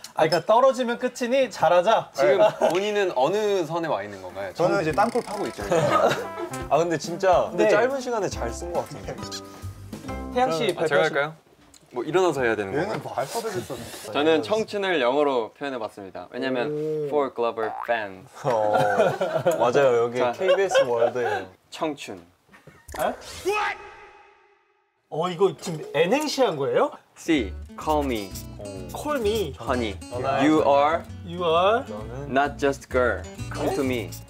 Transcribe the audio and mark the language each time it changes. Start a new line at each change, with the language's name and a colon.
Korean: 그러니까 떨어지면 끝이니 잘하자. 지금 본인은 어느 선에 와 있는 건가요? 저는 이제 땅굴 파고 있죠. 아, 근데 진짜 근데 네. 짧은 시간에 잘 쓴 것 같은데. 태양 씨 제가 할까요? 뭐 일어나서 해야 되는 건가요? 얘는 뭐 알파벳을 썼네. 저는 청춘을 영어로 표현해봤습니다.
English: 왜냐면 For Glover Fans.
Korean: 맞아요, 여기 자, KBS 월드예요. 청춘. 이거 지금 N행시 한 거예요?
English: C, call me. Call me. Honey. You are. You are. Not just girl. Come to me.